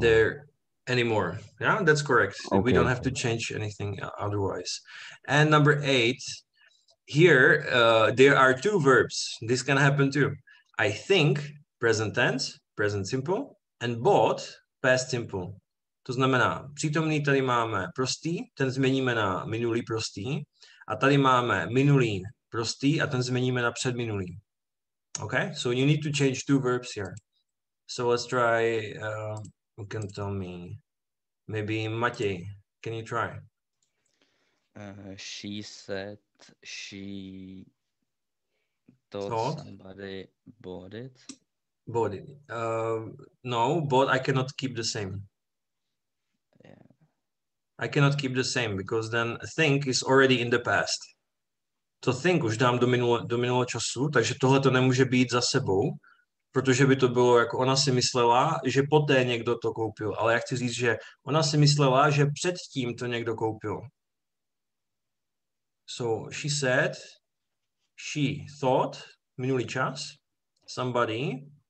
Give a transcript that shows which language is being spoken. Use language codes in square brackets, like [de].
[en] There anymore. Yeah, that's correct. Okay. We don't have to change anything otherwise. And number eight, here, there are two verbs. This can happen too. I think... Present tense, present simple, and bought, past simple. [cs] To znamená, přítomný tady máme prostý, ten změníme na minulý prostý, a tady máme minulý prostý a ten změníme na předminulý. [en] Okay, so you need to change two verbs here. So let's try, you can tell me, maybe Matěj, can you try? She said she thought somebody bought it. Body. No, but I cannot keep the same. Yeah. I cannot keep the same because then think is already in the past. To think [cs] už dám do minulého času, takže tohle to nemůže být za sebou, protože by to bylo, jako ona si myslela, že poté někdo to koupil. Ale já chci říct, že ona si myslela, že předtím to někdo koupil. [en] So she said, she thought, [cs] minulý čas, [en] somebody...